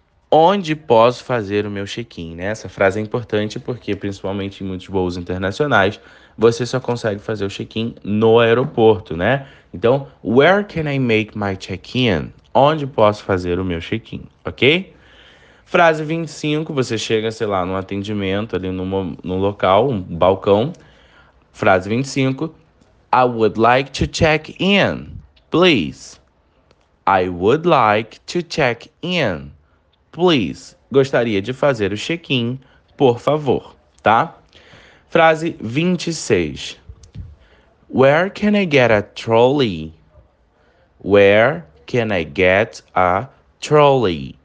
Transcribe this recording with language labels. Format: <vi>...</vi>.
<pt>Onde posso fazer o meu check-in, né? Essa frase é importante porque, principalmente em muitos voos internacionais, você só consegue fazer o check-in no aeroporto, né? Então,</pt> <en>where can I make my check-in?</en> <pt>Onde posso fazer o meu check-in, ok? Frase 25, você chega, sei lá, num atendimento ali no local, um balcão. Frase 25,</pt> <en>I would like to check in, please. I would like to check in. Please.</en> <pt>Gostaria de fazer o check-in, por favor, tá? Frase 26. Where can I get a trolley? Where can I get a trolley?</pt>